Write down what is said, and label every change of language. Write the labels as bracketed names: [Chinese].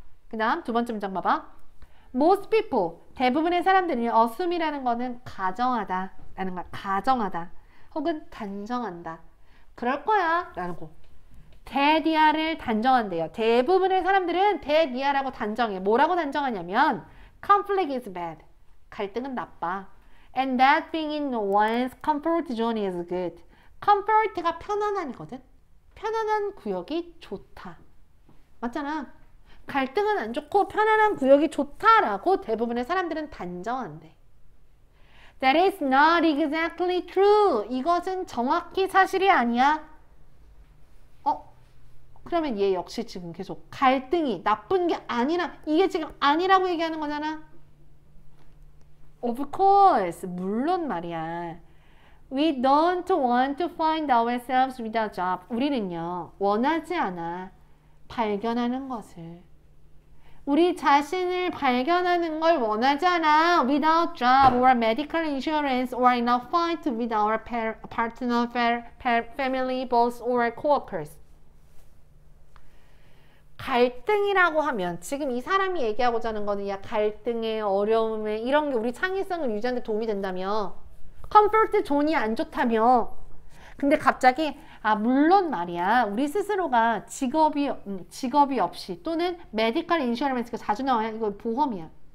[Korean] 그 다음 두 번째 문장 봐봐. Most people, 대부분의 사람들이 assume이라는 거는 가정하다라는 거야. 가정하다 혹은 단정한다. 그럴 거야 라는 거. 대디아를 단정한대요. 대부분의 사람들은 대디아라고 단정해. 뭐라고 단정하냐면 [English] conflict is bad. [Korean] 갈등은 나빠. [English] And that being in one's comfort zone is good. [Korean] comfort가 편안함이거든. 편안한 구역이 좋다. 맞잖아. 갈등은 안 좋고 편안한 구역이 좋다라고 대부분의 사람들은 단정한대. [English] That is not exactly true. [Korean] 이것은 정확히 사실이 아니야. 그러면 얘 역시 지금 계속 갈등이 나쁜 게 아니라, 이게 지금 아니라고 얘기하는 거잖아. [English] Of course, [Korean] 물론 말이야. [English] We don't want to find ourselves without a job. [Korean] 우리는요, 원하지 않아 발견하는 것을. 우리 자신을 발견하는 걸 원하지 않아. [English] Without job or medical insurance or in a fight with our partner, family, boss or coworkers. [Korean] 갈등이라고 하면 지금 이 사람이 얘기하고자 하는 거는 야 갈등에 어려움에 이런 게 우리 창의성을 유지하는 데 도움이 된다며 컴포트 존이 안 좋다며 근데 갑자기 아 물론 말이야 우리 스스로가 직업이 없이 또는 메디컬 인슈어런스가 자주 나와요 이거 보험이야